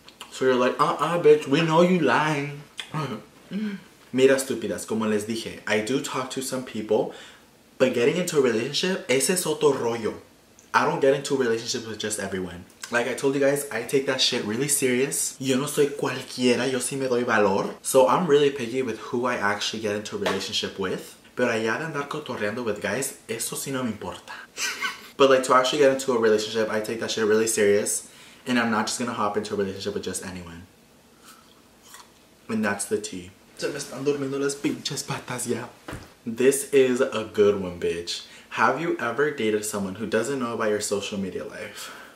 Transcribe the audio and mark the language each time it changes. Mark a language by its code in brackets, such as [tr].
[en] So you're like, uh-uh, bitch, we know you lying. [es] Mira, estúpidas, como les dije, [en] I do talk to some people, but getting into a relationship, [es] ese es otro rollo. [en] I don't get into a relationship with just everyone. Like I told you guys, I take that shit really serious. [es] Yo no soy cualquiera, yo sí me doy valor. [en] So I'm really picky with who I actually get into a relationship with. [es] Pero allá de andar cotorreando [en] with guys, [es] eso sí no me importa. [en] But like, to actually get into a relationship, I take that shit really serious. And I'm not just gonna hop into a relationship with just anyone. And that's the tea. [es] Se me están durmiendo las pinches patas ya. [en] This is a good one, bitch. Have you ever dated someone who doesn't know about your social media life?